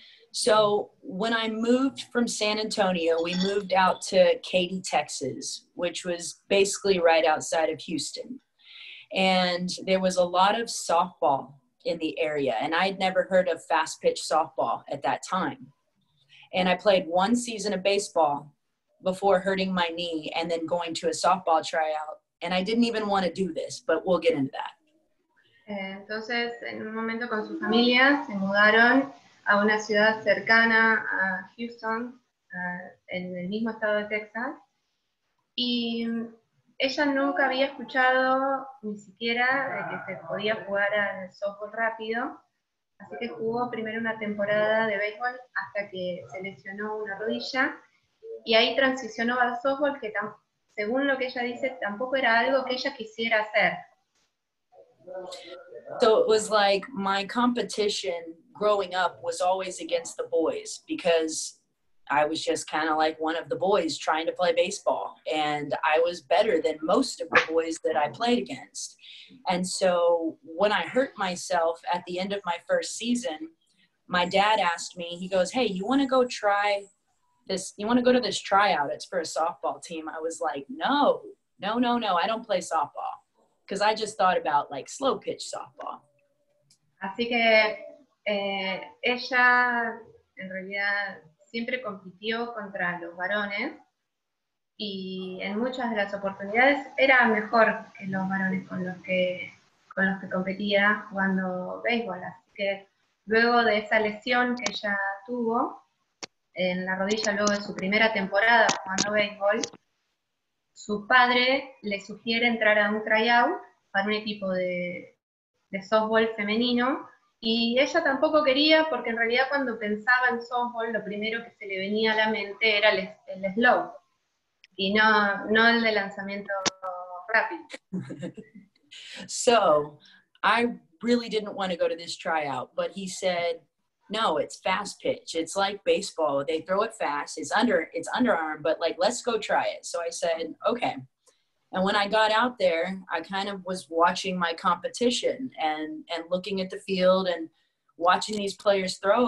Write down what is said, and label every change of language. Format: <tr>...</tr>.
<en>So, when I moved from San Antonio, we moved out to Katy, Texas, which was basically right outside of Houston. And there was a lot of softball in the area, and I had never heard of fast pitch softball at that time. And I played one season of baseball before hurting my knee and then going to a softball tryout. And I didn't even want to do this, but we'll get into that.</en> <es>Entonces, en un momento con su familia, se mudaron a una ciudad cercana a Houston, en el mismo estado de Texas. Y ella nunca había escuchado ni siquiera de que se podía jugar al softball rápido, así que jugó primero una temporada de béisbol hasta que se lesionó una rodilla, y ahí transicionó al softball, que según lo que ella dice, tampoco era algo que ella quisiera hacer.</es> <en>So it was like my competition growing up was always against the boys, because I was just kind of like one of the boys trying to play baseball, and I was better than most of the boys that I played against. And so when I hurt myself at the end of my first season, my dad asked me, he goes, hey, you want to go try this? You want to go to this tryout? It's for a softball team. I was like, no, I don't play softball. Because I just thought about like slow pitch softball.</en> <es>Así que ella en realidad siempre compitió contra los varones, y en muchas de las oportunidades era mejor que los varones con los que competía jugando béisbol. Así que luego de esa lesión que ella tuvo en la rodilla, luego de su primera temporada jugando béisbol, su padre le sugiere entrar a un tryout para un equipo de softball femenino, y ella tampoco quería, porque en realidad cuando pensaba en softball, lo primero que se le venía a la mente era el slow, y no el de lanzamiento rápido.</es> <en>So, I really didn't want to go to this tryout, but he said, no, it's fast pitch, it's like baseball, they throw it fast, it's underarm, but like, let's go try it. So I said, okay. And when I got out there, I kind of was watching my competition and looking at the field and watching these players throw.</en>